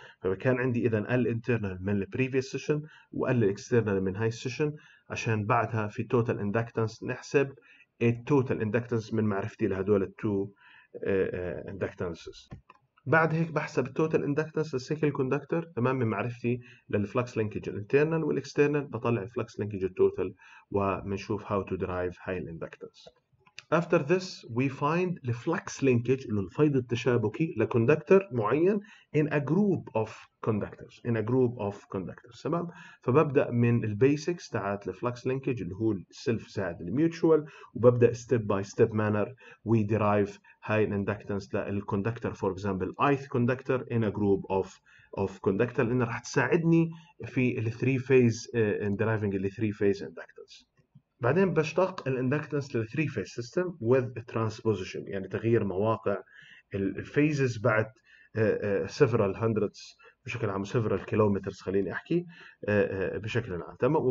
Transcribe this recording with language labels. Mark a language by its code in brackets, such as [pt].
[ar] فكان عندي اذا ال انترنال من [en] البريفيوس سيشن [ar] وال الاكسترنال من هاي السيشن، عشان بعدها في توتال اندكتنس نحسب التوتال اندكتنس من معرفتي لهدول التو اندكتنسز. بعد هيك بحسب التوتال اندكتنس للسيكل كوندكتر، تمام، من معرفتي للفلكس لينكج الانترنال والاكسترنال، بطلع الفلكس لينكج التوتال وبنشوف [en] how to derive [ar] هاي الاندكتنس. [en] After this we find the flux linkage [ar] اللي هو الفيض التشابكي لكوندكتر معين [en] in a group of conductors in a group of conductors، تمام. [ar] فببدأ من البيسكس تاعت الفلكس لينكج اللي هو السلف زائد الميوتشوال، وببدأ [en] step by step manner we derive [ar] هاي الاندكتنس للكوندكتر، [en] for example ith conductor in a group of conductor، [ar] لأن راح تساعدني في ال [en] three phase in deriving ال three phase inductance. [ar] بعدين بشتق الاندكتنس للثري فيز سيستم [en] with transposition, [ar] يعني تغيير مواقع الفيزز بعد [en] several hundreds [ar] بشكل عام، [en] several kilometres [ar] خليني احكي بشكل عام، تمام.